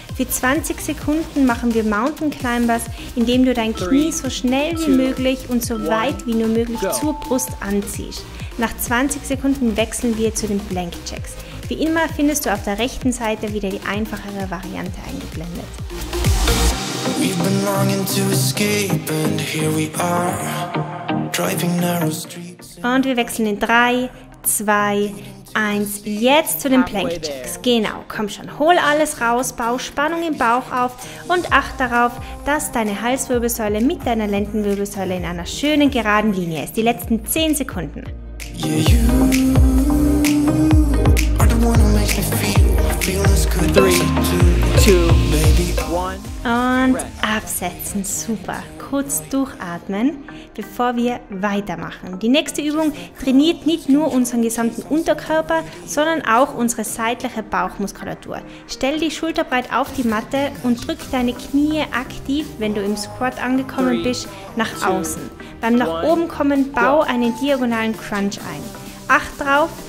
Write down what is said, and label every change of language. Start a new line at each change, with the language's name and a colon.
German: Für 20 Sekunden machen wir Mountain Climbers, indem du dein Knie so schnell wie möglich und so weit wie nur möglich zur Brust anziehst. Nach 20 Sekunden wechseln wir zu den Plank Jacks. Wie immer findest du auf der rechten Seite wieder die einfachere Variante eingeblendet.
English: We've been longing to escape and here we are, driving narrow streets.
German: Und wir wechseln in 3, 2, 1, jetzt zu den Plank Jacks. Genau, komm schon, hol alles raus, bau Spannung im Bauch auf und acht darauf, dass deine Halswirbelsäule mit deiner Lendenwirbelsäule in einer schönen geraden Linie ist. Die letzten 10 Sekunden.
English: Yeah, you are the one who makes me feel as good.
German: 3, 2, 1. Und absetzen, super. Kurz durchatmen, bevor wir weitermachen. Die nächste Übung trainiert nicht nur unseren gesamten Unterkörper, sondern auch unsere seitliche Bauchmuskulatur. Stell die Schulter breit auf die Matte und drück deine Knie aktiv, wenn du im Squat angekommen bist, nach außen. Beim nach oben kommen, bau einen diagonalen Crunch ein. Acht drauf,